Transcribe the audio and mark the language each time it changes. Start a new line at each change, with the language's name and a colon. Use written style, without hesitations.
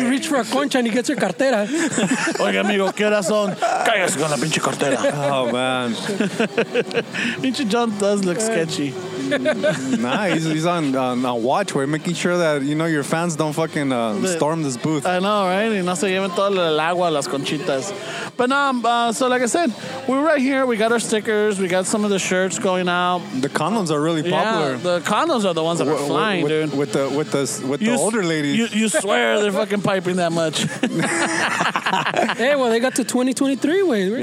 English: You reach for a concha and he gets your cartera.
Spanish: Oiga, amigo, ¿qué horas son? Cállese con la pinche cartera.
English: Oh, man. Pinche John does look sketchy. Nah, he's on watch. We're making sure that, you know, your fans don't fucking storm this booth. I know, right?
Spanish: Y no se lleven todo el agua a las conchitas.
English: But no, so like I said, we're right here. We got our stickers. We got some of the shirts going out. The condoms are really popular. Yeah, the condoms are the ones that are flying, with, dude. With the older ladies. You swear they're fucking piping that much. Hey, well, they got to 2023, wait. Right?